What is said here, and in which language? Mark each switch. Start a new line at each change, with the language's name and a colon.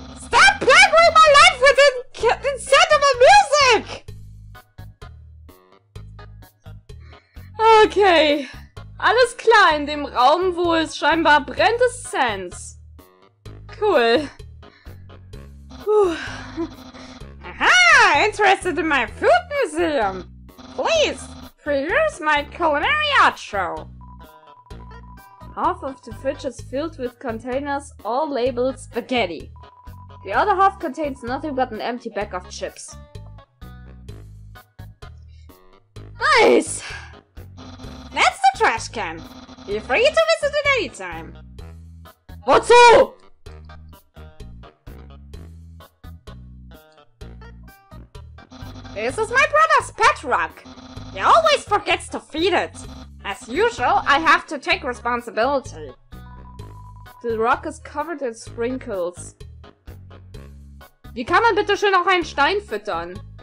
English: Stop playing with my life with the sound of my music! Okay.
German: Alles klar, in dem Raum, wo es scheinbar brennt, ist Sense. Cool. Puh.
English: Aha, interested in my food museum. Please, produce my culinary art show. Half of the fridge is filled with containers, all labeled spaghetti. The other half contains nothing but an empty bag of chips. Nice! That's the trash can. Be free to visit it anytime.
German: Wozu?
English: This is my brother's pet rock. He always forgets to feed it. As usual, I have to take responsibility. The rock is covered in sprinkles.
German: Wie kann man bitte schön auch einen Stein füttern?